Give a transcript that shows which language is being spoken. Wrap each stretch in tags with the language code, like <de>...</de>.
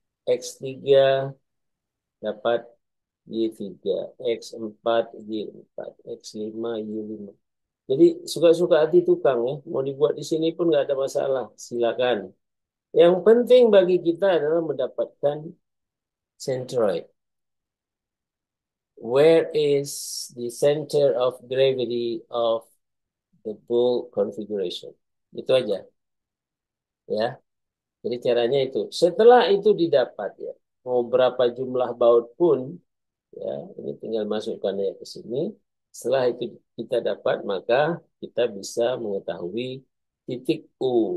<id>X3 dapat Y3, X4, Y4, X5, Y5. Jadi suka-suka hati tukang ya, mau dibuat di sini pun nggak ada masalah, silakan. Yang penting bagi kita adalah mendapatkan centroid.</id> <en>Where is the center of gravity of the ball configuration?</en> <id>Itu aja. Ya. Jadi caranya itu. Setelah itu didapat ya, mau berapa jumlah baut pun ya, ini tinggal masukkan ya ke sini. Setelah itu kita dapat, maka kita bisa mengetahui titik U.</id>